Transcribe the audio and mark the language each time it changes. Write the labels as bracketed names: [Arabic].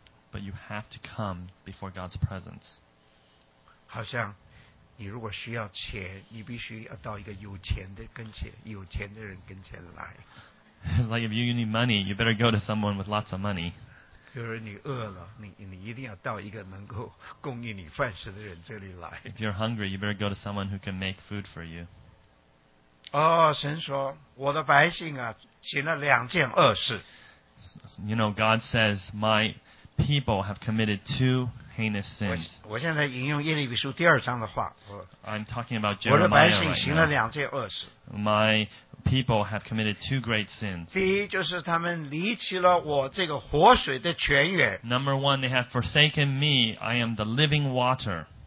[English] But you have to come before God's presence. [Chinese] 好像你如果需要钱，你必须要到一个有钱的跟前，有钱的人跟前来。 [English] It's like if you need money, you better go to someone with lots of money. [Chinese] 比如你饿了，你一定要到一个能够供应你饭食的人这里来。 [English] If you're hungry, you better go to someone who can make food for you. [Chinese] 哦，神说，我的百姓啊，行了两件恶事。 [English] You know, God says, my people have committed two. [Chinese] 我现在引用耶利米书第二章的话。 [English] I'm talking about Jeremiah. [Chinese] 我的百姓行了两件恶事。 [English] My people have committed two great sins. [Chinese] 第一就是他们离弃了我这个活水的泉源。 [English] Number one, they have forsaken me. I am the living water.